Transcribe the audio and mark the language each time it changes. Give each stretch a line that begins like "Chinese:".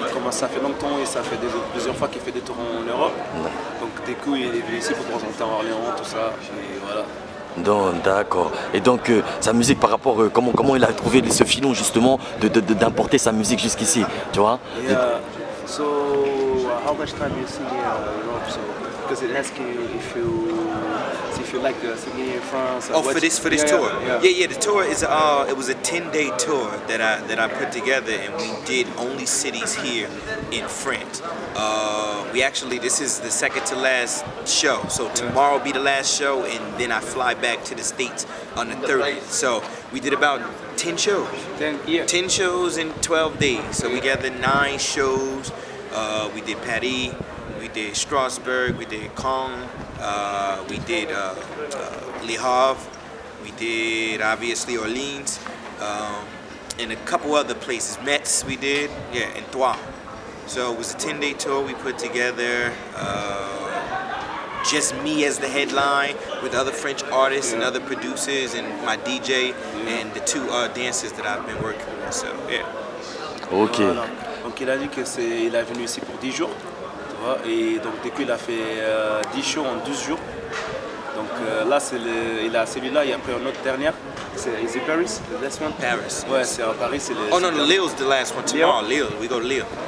French: Ça fait longtemps et ça fait plusieurs fois qu'il fait des tours en Europe. Ouais. Donc des coups, il est venu ici pour présenter en Orléans, tout ça. Et voilà. Donc, d'accord. Et donc, sa musique par rapport, comment il a trouvé ce filon justement d'importer sa musique jusqu'ici, tu vois?
English: So, how much time you sing in Europe? Because it asks you if you like to sing in France. Oh, for this tour? Yeah, the tour is it was a 10-day tour that I put together, and we did only cities here in France. This is the second to last show, so tomorrow will be the last show, and then I fly back to the States on the 30th. So we did about 10 shows. 10 shows in 12 days. So we gathered 9 shows. We did Paris, we did Strasbourg, we did Caen, we did Le Havre, we did obviously Orleans, and a couple other places. Metz we did, yeah, and Troyes. So it was a 10-day tour we put together, just me as the headline with other French artists and other producers and my DJ and the two dancers that I've been working with, so yeah. Okay.
French: Donc il a dit qu'il est venu ici pour 10 jours, tu vois, et donc du coup il a fait 10 shows en 12 jours. Donc là c'est il a celui-là et après une autre dernière.
English: Is it Paris? The last one? Paris.
French: Ouais, c'est en Paris. C'est
English: no, Lille's the last one tomorrow. Lille, we go to Lille.